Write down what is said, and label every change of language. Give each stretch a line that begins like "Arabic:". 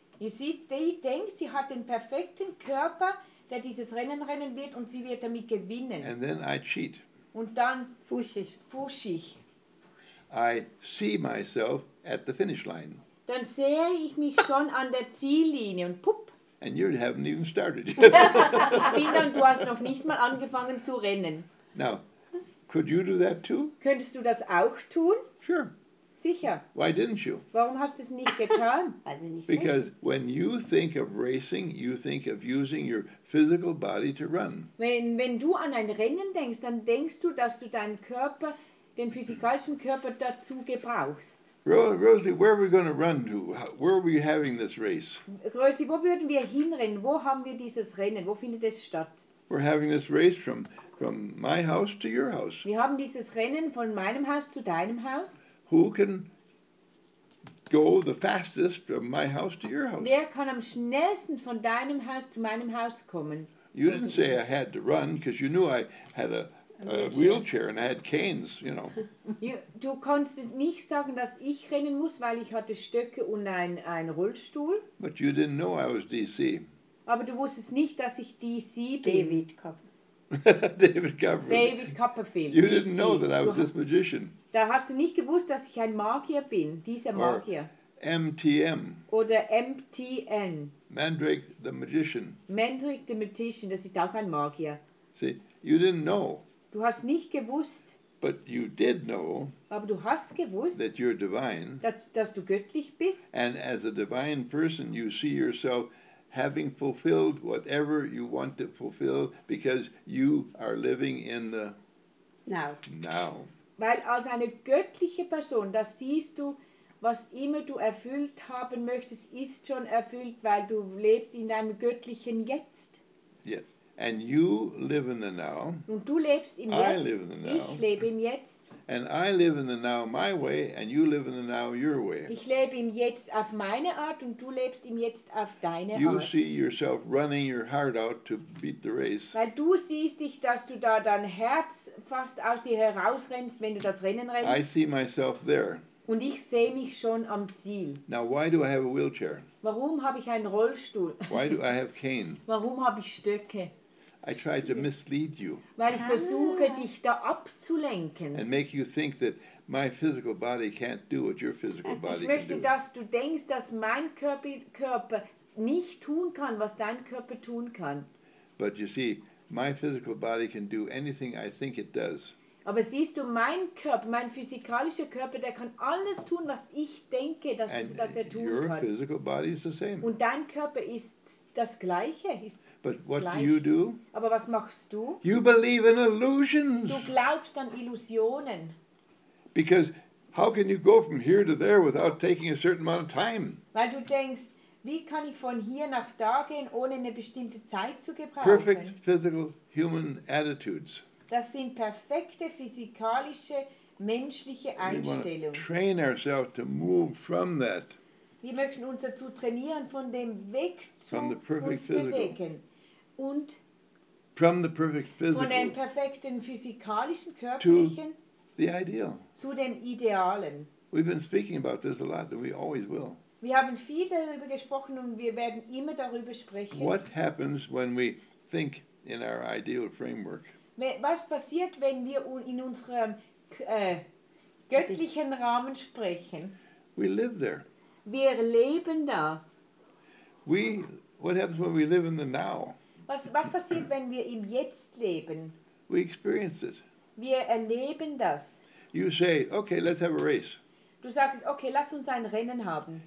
English: You see,
German: sie denkt, sie hat den perfekten Körper, der dieses Rennen rennen wird und sie wird damit gewinnen.
English: And then I cheat.
German: Und dann fusch ich.
English: I see myself at the finish line.
German: Dann sehe ich mich schon an der Ziellinie und pupp.
English: And you haven't even started yet.
German: Dann, du hast noch nicht mal angefangen zu rennen.
English: Now, could you do that too?
German: Könntest du das auch tun?
English: Sure.
German: Sicher.
English: Why didn't you?
German: Warum hast du es nicht getan?
English: Because when you think of racing, you think of using your physical body to run.
German: Wenn du an ein Rennen denkst, dann denkst du, dass du deinen Körper, den physikalischen Körper dazu gebrauchst.
English: Rosalie, where are we going to run to? Where are we having this race?
German: Rosalie, wo würden wir hinrennen? Wo haben wir dieses Rennen? Wo findet es statt?
English: We're having this race from my house to your house.
German: Wir haben dieses Rennen von meinem Haus zu deinem Haus.
English: Who can go the fastest from my house to your house?
German: Wer kann am schnellsten von deinem Haus zu meinem Haus kommen?
English: You didn't say I had to run because you knew I had a wheelchair and I had canes, you know.
German: Du konntest nicht sagen, dass ich rennen muss, weil ich hatte Stöcke und ein Rollstuhl.
English: But you didn't know I was DC.
German: Aber du wusstest nicht, dass ich DC bin.
English: David Copperfield. You didn't know that I was this magician.
German: Da hast du nicht gewusst, dass ich ein Magier bin, dieser Magier.
English: MTM.
German: Oder MTN.
English: Mandrake the Magician. Mandrake the Magician,
German: das ist auch ein Magier.
English: See, you didn't know.
German: Du hast nicht gewusst.
English: But you did know.
German: Aber du hast gewusst.
English: That you're divine.
German: Dass du göttlich bist.
English: And as a divine person, you see yourself having fulfilled whatever you want to fulfill because you are living in the now. Now.
German: Weil als eine göttliche Person, das siehst du, was immer du erfüllt haben möchtest, ist schon erfüllt, weil du lebst in deinem göttlichen Jetzt.
English: Yes. And you live in the now.
German: Und du lebst im Jetzt.
English: I live in the now.
German: Ich lebe im Jetzt.
English: And I live in the now my way, and you live in the now your way.
German: Ich lebe im Jetzt auf meine Art, und du lebst im Jetzt auf deine Art.
English: You see yourself running your heart out to beat the race.
German: Weil du siehst dich, dass du da dein Herz fast aus dir herausrennst, wenn du das Rennen rennst.
English: I see myself there.
German: Und ich sehe mich schon am Ziel.
English: Now, why do I have a wheelchair?
German: Warum habe ich einen Rollstuhl?
English: Why do I have cane?
German: Warum habe ich Stöcke?
English: I try to mislead you.
German: Weil ich versuche, dich da abzulenken.
English: And make you think that my physical body can't do what your physical body can do.
German: Ich möchte, dass du denkst, dass mein Körper nicht tun kann, was dein Körper tun kann.
English: But you see, my physical body can do anything I think it does.
German: Aber siehst du, mein Körper, mein physikalischer Körper, der kann alles tun, was ich denke, dass er tun
English: your
German: kann.
English: Your physical body is the same.
German: Und dein Körper ist das Gleiche.
English: But what do you do?
German: Aber was machst du?
English: You believe in illusions.
German: Du glaubst an Illusionen.
English: Because how can you go from here to there without taking a certain amount of time?
German: Weil du denkst, wie kann ich von hier nach da gehen, ohne eine bestimmte Zeit zu gebrauchen?
English: Perfect physical human attitudes.
German: Das sind perfekte physikalische menschliche Einstellung.
English: Train ourselves to move from that.
German: Wir möchten uns dazu trainieren, von dem weg zu uns bewegen. Und
English: from the perfect physical,
German: von dem perfekten physikalischen Körperchen
English: the ideal.
German: Zu dem Idealen.
English: We've been speaking about this a lot, and we always will.
German: Wir haben viel darüber gesprochen und wir werden immer darüber sprechen.
English: What happens when we think in our ideal framework?
German: Was passiert, wenn wir in unserem göttlichen Rahmen sprechen?
English: We live there.
German: Wir leben da.
English: What happens when we live in the now?
German: Was passiert, wenn wir im Jetzt leben?
English: We experience it.
German: Wir erleben das.
English: You say, okay, let's have a race.
German: Du sagst, okay, lass uns ein Rennen haben.